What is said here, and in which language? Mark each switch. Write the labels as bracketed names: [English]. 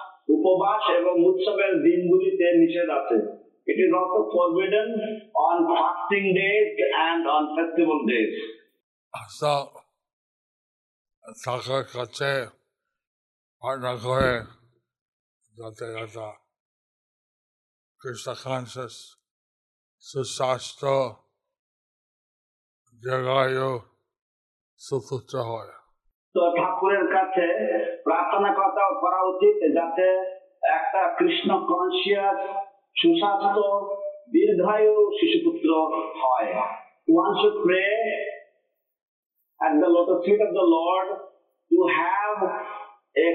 [Bangla] উপবাস এবং উৎসবের দিনগুলিতে নিষেধ আছে. [English] It is also forbidden on fasting days and on festival days. [Bangla] ঠাকুর কাছে প্রার্থনা করে যাতে যাতা কৃষ্ণ কনশিয়াস সুস্বাস্থ্য জগায় সুস্থ হয়. তো ঠাকুরের কাছে প্রার্থনা কথা করা উচিত যাতে একটা কৃষ্ণ কনশিয়াস সুস্বাস্থ্য দীর্ঘায়ু শিশুপুত্র হয়. [English] One should pray at the lotus feet of the Lord to have a